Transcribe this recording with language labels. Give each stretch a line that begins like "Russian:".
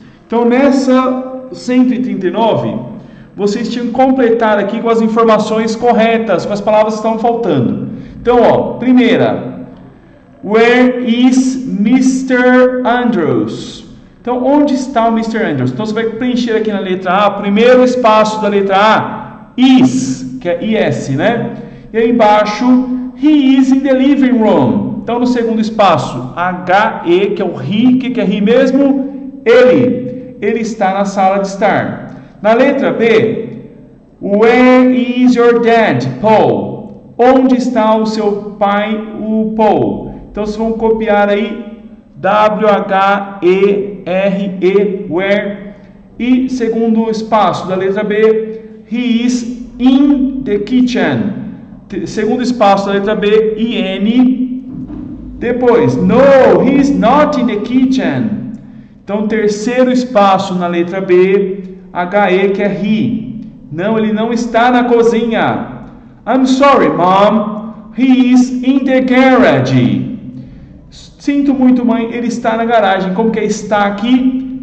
Portuguese: Então nessa 139, vocês tinham que completar aqui com as informações corretas, com as palavras que estão faltando. Então, ó, primeira.
English: Where is Mr.
Portuguese: Andrews? Então, onde está o Mr. Andrews? Então, você vai preencher aqui na letra A, primeiro espaço da letra A, is, que é IS, né? E aí embaixo,
English: he is in the living room.
Portuguese: Então, no segundo espaço, H-E, que é o he, que é he mesmo? Ele. Ele está na sala de estar. Na letra B,
English: where is your dad, Paul?
Portuguese: Onde está o seu pai, o Paul? Então, vocês vão copiar aí, W-H-E-R-E, where. E segundo espaço da letra B,
English: he is in the kitchen.
Portuguese: Segundo espaço da letra B, I-N. Depois,
English: no, he is not in the kitchen.
Portuguese: Então, terceiro espaço na letra B, H-E, que é he. Não, ele não está na cozinha.
English: I'm sorry, mom. He is in the garage.
Portuguese: Sinto muito, mãe. Ele está na garagem. Como que é está aqui?